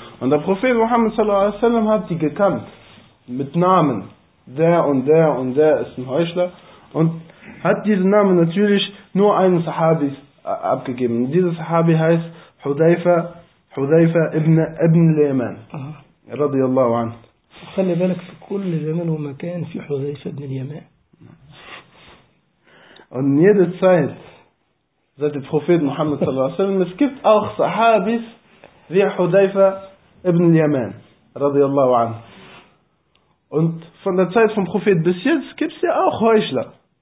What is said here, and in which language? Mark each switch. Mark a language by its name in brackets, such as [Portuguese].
[German] Und der Prophet Muhammad sallallahu alaihi wasallam hat die gekannt. Mit Namen. Der und der und der ist ein Heuchler. Und hat diesen Namen natürlich nur einem Sahabi abgegeben. Und dieser Sahabi heißt Hudhaifa ibn Lehmann. Radiallahu anhu. [Arabic] خلي بالك في كل زمان ومكان في Hudhaifa ibn Lehmann. [German] Und in jeder Zeit, seit dem Prophet Muhammad sallallahu alaihi wasallam, es gibt auch Sahabis wie Hudhaifa ibn Lehmann. Radiallahu anhu. Und von der Zeit vom Prophet bis jetzt gibt es ja auch Heuchler.